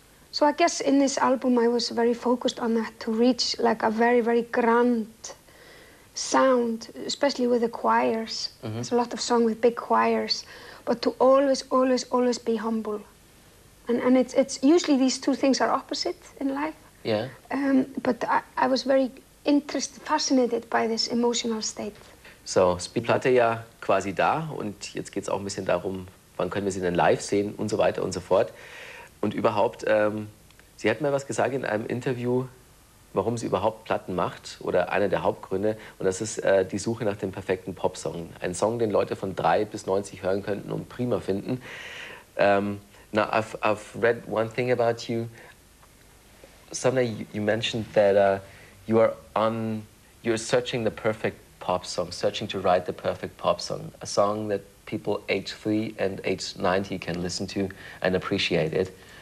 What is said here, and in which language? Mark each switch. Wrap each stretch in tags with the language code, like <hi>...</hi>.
<en>So I guess in this album I was very focused on that, to reach like a very, very grand sound, especially with the choirs. Mm-hmm. There's a lot of song with big choirs, but to always, always, always be humble. And it's usually these two things are opposite in life. Yeah. But I was very interested, fascinated by this emotional state.</en> <de>So, Spielplatte ja quasi da, und jetzt geht's auch ein bisschen darum, wann können wir sie denn live sehen und so weiter und so fort. Und überhaupt, sie hat mir was gesagt in einem Interview, warum sie überhaupt Platten macht, oder einer der Hauptgründe, und das ist die Suche nach dem perfekten Popsong. Ein Song, den Leute von 3 bis 90 hören könnten und prima finden.</de> <en>Now, I've read one thing about you. Someday you mentioned that you're searching the perfect pop song, searching to write the perfect pop song, a song that people age 3 and age 90 can listen to and appreciate it.</en>